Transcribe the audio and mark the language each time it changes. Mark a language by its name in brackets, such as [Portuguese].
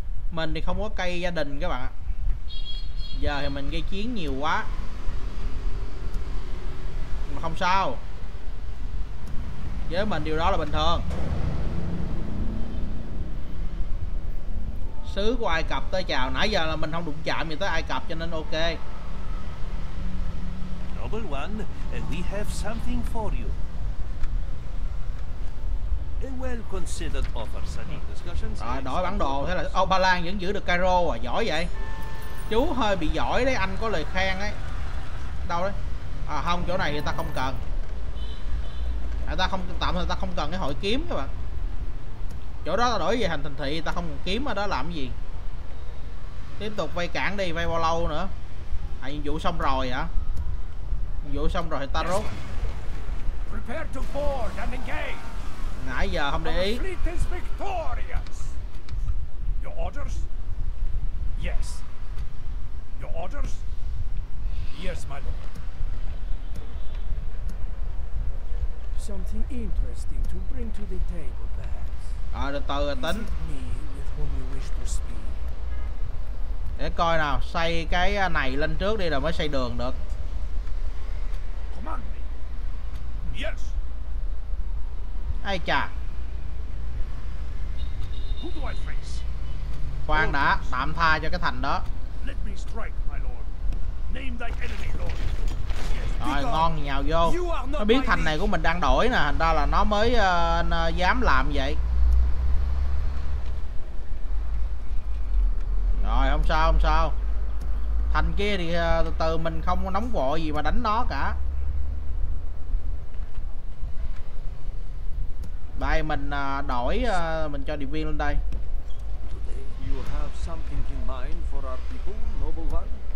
[Vietnamese] Mình thì không có cây gia đình các bạn ạ. Giờ thì mình gây chiến nhiều quá. Không sao, với mình điều đó là bình thường. sứ của Ai Cập tới chào. Nãy giờ là mình không đụng chạm gì tới Ai Cập cho nên ok. [English] Noble one, we have something for you. A well considered offer, discussions. [Vietnamese] Rồi, đổi bản đồ, thế là Obalan vẫn giữ được Cairo à, giỏi vậy. Chú hơi bị giỏi đấy, anh có lời khen đấy. Đâu đấy? À không, chỗ này người ta không cần. Người ta không, tạm thời ta không cần cái hội kiếm các bạn. Chỗ đó ta đổi về thành thành thị, ta không còn kiếm ở đó làm cái gì. Tiếp tục vay cản đi, vay bao lâu nữa? À, nhiệm vụ xong rồi hả? Nhiệm vụ xong rồi thì ta rút. [English] Prepare to board and engage. [Vietnamese] Nãy giờ không để ý. [English] Our fleet is victorious. Your orders? Yes. Your orders? Yes, my lord. Something interesting to bring to the table, perhaps. [Vietnamese] À, từ từ tính. [English] Is it me with whom you wish to speak? [Vietnamese] Để coi nào, xây cái này lên trước đi rồi mới xây đường được. [English] Command me. Yes. [Vietnamese] Ai chà. [English] Who do I face? [Vietnamese] Khoan đã, tạm tha cho cái thành đó. [English] Let me strike, my lord. Name thy enemy, lord. [Vietnamese] Rồi ngon nhào vô. Nó biết thành này của mình đang đổi nè, thành ra là nó mới nó dám làm vậy. Rồi không sao không sao. Thành kia thì từ từ mình không nóng vội gì mà đánh nó cả. Đây mình đổi mình cho điệp viên lên đây. [English] You have something in mind for our people, noble one.